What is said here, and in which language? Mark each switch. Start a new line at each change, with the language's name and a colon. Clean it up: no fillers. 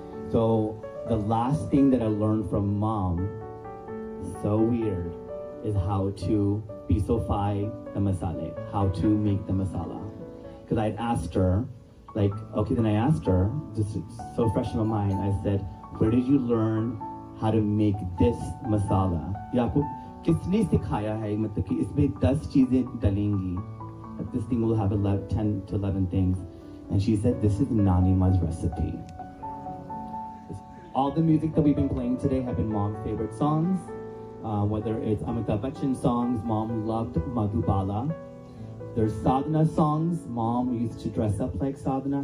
English: So the last thing that I learned from Mom, so weird, is how to bisofai the masala, how to make the masala. Because I'd asked her, like, okay, then I asked her, just so fresh in my mind, I said, "Where did you learn how to make this masala?
Hindi: किसने सिखाया है, मतलब कि इसमें 10 चीज़े डालेंगी.
English: This thing will have 10 to 11 things." And she said, "This is Nanima's recipe." All the music that we've been playing today have been Mom's favorite songs. Whether it's Amitabh Bachchan songs, Mom loved Madhubala. There's Sadhana songs. Mom used to dress up like Sadhana.